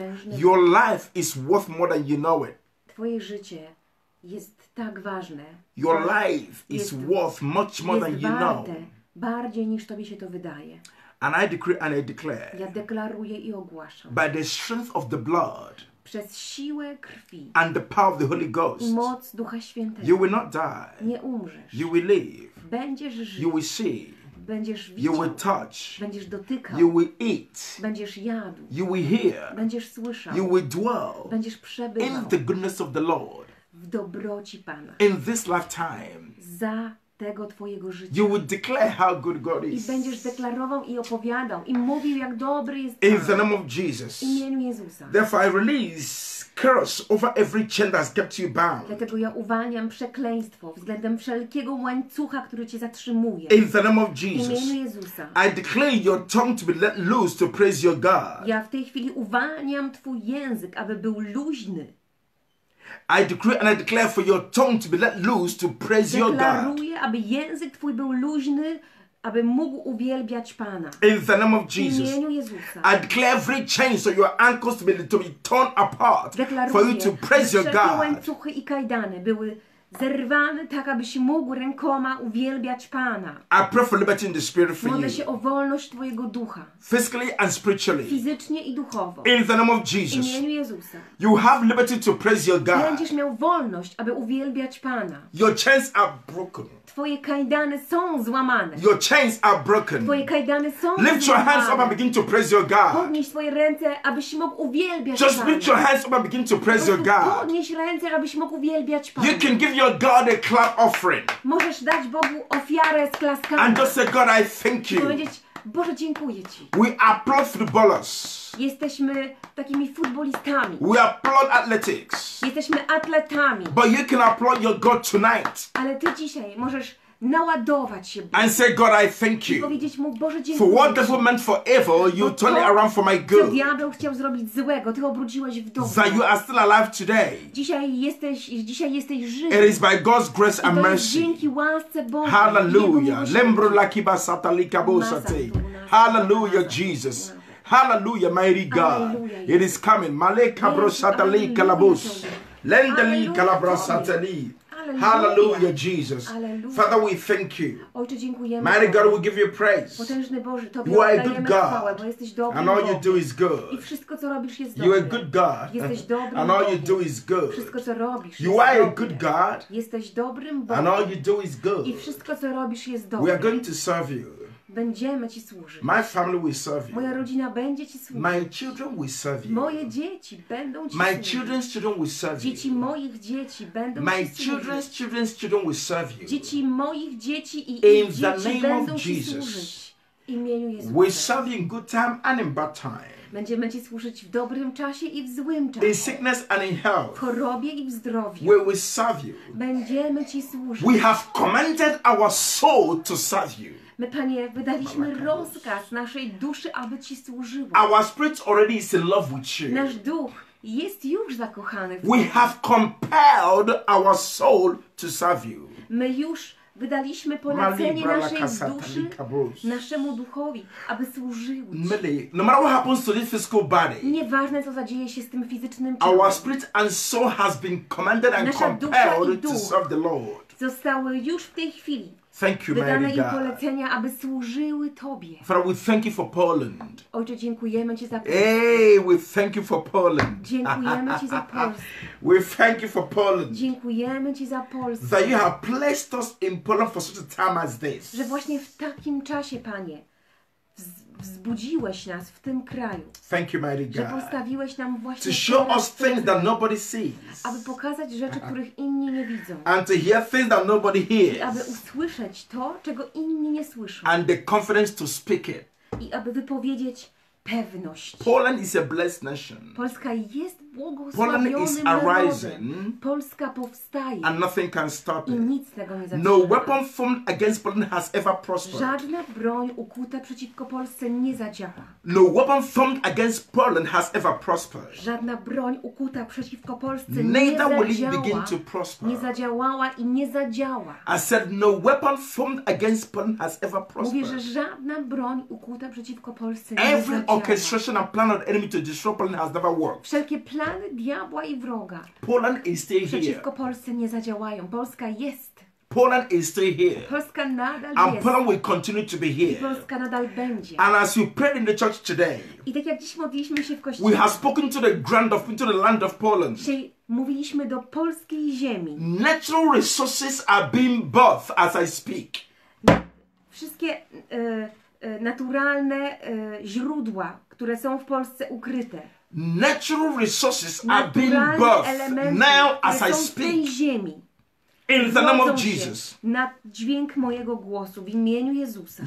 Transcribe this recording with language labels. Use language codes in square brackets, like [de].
[en] Your life is worth more than you know it. [pl] Twoje życie jest tak ważne. [en] Your life is worth much more than you know. [pl] Bardziej niż tobie się to wydaje. [en] And I decree and I declare. [pl] Ja deklaruję i ogłaszam. [en] By the strength of the blood. [pl] Przez siłę krwi. [en] And the power of the Holy Ghost. [pl] I moc Ducha Świętego. [en] You will not die. [pl] Nie umrzesz. [en] You will live. [pl] Będziesz żył. [en] You will see. [pl] Będziesz widział. [en] You will touch. [pl] Będziesz dotykał. [en] You will eat. [pl] Będziesz jadł. [en] You will hear. [pl] Będziesz słyszał. [en] You will dwell. [pl] Będziesz przebywał. [en] In the goodness of the Lord. [pl] W dobroci Pana. [en] In this lifetime. [pl] Za tego twojego życia. [en] You would declare how good God is. [pl] I będziesz deklarował i opowiadał i mówił, jak dobry jest Pan. [en] In the name of Jesus. [pl] W imieniu Jezusa. [en] Therefore I release curse over every chain that has kept you bound. [pl] Dlatego ja uwalniam przekleństwo względem wszelkiego łańcucha, który cię zatrzymuje. [en] In the name of Jesus. [pl] W imieniu Jezusa. [en] I declare your tongue to be let loose to praise your God. [pl] Ja w tej chwili uwalniam twój język, aby był luźny. [en] I decree and I declare for your tongue to be let loose to praise your God. [pl] Deklaruję, aby język twój był luźny, aby mógł uwielbiać Pana. [en] In the name of Jesus. [pl] W imieniu Jezusa. [en] I declare every chain so your ankles to be torn apart. [pl] Deklaruję, [en] for you to praise your God. [pl] Wszelkie łańcuchy i kajdany były zerwane tak, abyś mógł rękoma uwielbiać Pana. [en] I pray for liberty in the spirit for you. [pl] Modlę się o wolność twojego ducha. [en] Physically and spiritually. [pl] Fizycznie i duchowo. [en] In the name of Jesus. [pl] W imieniu Jezusa. [en] You have liberty to praise your God. [pl] Będziesz miał wolność, aby uwielbiać Pana. [en] Your chains are broken. [pl] Twoje kajdany są złamane. [en] Your chains are broken. [pl] Twoje kajdany są [en] lift [pl] złamane. [en] Your hands up and begin to praise your God. [pl] Podnieś swoje ręce, abyś mógł uwielbiać [en] just [pl] Pana. [en] Lift your hands up and begin to praise your God. [pl] Podnieś ręce, abyś mógł uwielbiać Pana. [en] You can give your God a clap offering. [pl] Możesz dać Bogu ofiarę z klaskami. [en] And just say, God, I thank you. [pl] Powiedzieć, Boże, dziękuję ci. [en] We applaud footballers. [pl] Jesteśmy takimi futbolistami. [en] We applaud athletics. [pl] Jesteśmy atletami. [en] But you can applaud your God tonight. [pl] Ale ty dzisiaj możesz naładować się Bogiem. [en] And say, God, I thank you. [pl] I powiedzieć mu, Boże, dziękuję. [en] For what devil meant for evil, you turn it around for my good. [pl] Co diabeł chciał zrobić złego, ty obróciłeś w dobro. [en] That you are still alive today. [pl] Dzisiaj jesteś żywy. [en] It is by God's grace and mercy. [pl] Dzięki łasce Bożej. Hallelujah. Lembro lakiba satalika bosate. [en] Hallelujah, Jesus. Hallelujah, mighty God. Alleluia, it is coming. Maleka brosatali kalabos. Lendali kalabrosatali. Hallelujah, Jesus. Alleluia. Father, we thank you. [pl] Ojcze, dziękujemy. [en] Mighty God, we give you praise. [pl] Potężny Boże, tobie [en] you are a good God. [pl] Chwałę, [en] and all you do is good. [pl] I wszystko, co robisz, jest [en] you are a good God. [pl] Jesteś dobrym [en] and all you do is good. [pl] Wszystko, co robisz, [en] you are a good God. [pl] Jesteś dobrym Bogiem. [en] And all you do is good. [pl] I wszystko, co robisz, jest dobre. [en] We are going to serve you. [pl] będziemy Ci służyć. [en] My family will serve you. [pl] Moja rodzina będzie Ci służyć. [en] My children will serve you. [pl] Moje dzieci będą Ci [en] My [pl] służyć. [en] Children's children will serve you. [pl] Dzieci moich dzieci będą [en] My [pl] Ci [en] children's [pl] służyć. [en] Children's children will serve you. [pl] Dzieci moich dzieci i ich dzieci będą Ci służyć. W imieniu Jezusa. [en] We serve in good time and in bad time. [pl] Będziemy Ci służyć w dobrym czasie i w złym czasie. [en] In sickness and in health. [pl] W chorobie i w zdrowiu. [en] We will serve you. [pl] Będziemy Ci służyć. [en] We have commanded our soul to serve you. [pl] My Panie, wydaliśmy rozkaz naszej duszy, aby Ci służyła. [en] Our spirit already is in love with you. [pl] Nasz duch jest już zakochany w Tobie. [en] We have compelled our soul to serve you. [pl] My już wydaliśmy polecenie naszej duszy, naszemu duchowi, aby służył Ci. [en] No matter what happens to this physical body, [pl] nieważne co zadzieje się z tym fizycznym ciałem, [en] our spirit and soul has been commanded and compelled to serve the Lord. [pl] Zostały już w tej chwili [en] thank you, [pl] wydane im polecenia, aby służyły Tobie. [en] Father, we thank you for Poland. [pl] Ojcze, dziękujemy Ci za Polskę. [en] Hey, we thank you for Poland. [pl] Dziękujemy Ci za Polskę. [en] We thank you for Poland. [pl] Dziękujemy Ci za Polskę. [en] That you have placed us in Poland for such a time as this. [pl] Że właśnie w takim czasie, Panie, wzbudziłeś nas w tym kraju. [en] Thank you, Mary God. [pl] Że postawiłeś nam właśnie [en] to show us things that nobody sees. [pl] Aby pokazać rzeczy, których inni nie widzą. [en] And to hear things that nobody hears. [pl] I aby usłyszeć to, czego inni nie słyszą. [en] And the confidence to speak it. [pl] I aby wypowiedzieć pewność. [en] Poland is a blessed nation. [pl] Polska jest błogosławionym narodem. [en] Poland is arising. [pl] Polska powstaje. [en] And nothing can stop it. [pl] I nic tego nie zatrzyma. [en] No weapon formed against Poland has ever prospered. [pl] Żadna broń ukuta przeciwko Polsce nie zadziała. [en] No weapon formed against Poland has ever prospered. [pl] Żadna broń ukuta przeciwko Polsce [en] neither will it begin to prosper. [pl] Nie zadziałała i nie zadziała. [en] I said no weapon formed against Poland has ever prospered. [pl] Mówię, że żadna broń ukuta przeciwko Polsce nie zadziała. [en] Orchestration and plan of enemy to destroy Poland has never worked. [pl] Wszelkie plany diabła i wroga. [en] Poland is still here. [pl] Przeciwko Polsce nie zadziałają. Polska jest. [en] Poland is still here. [pl] Polska nadal [en] and [pl] jest. [en] Poland will continue to be here. [pl] I Polska nadal będzie. [en] And as we pray in the church today. [pl] I tak jak dziś modliliśmy się w kościele. [en] We have spoken to the ground of into the land of Poland. [pl] Mówiliśmy do polskiej ziemi. [en] Natural resources are being birthed as I speak. [pl] Wszystkie naturalne źródła, które są w Polsce ukryte. [en] Natural resources [pl] naturalne [en] are being birthed now as I speak. [pl] Ziemi. [en] In the name of Jesus. [pl] Na dźwięk mojego głosu w imieniu Jezusa.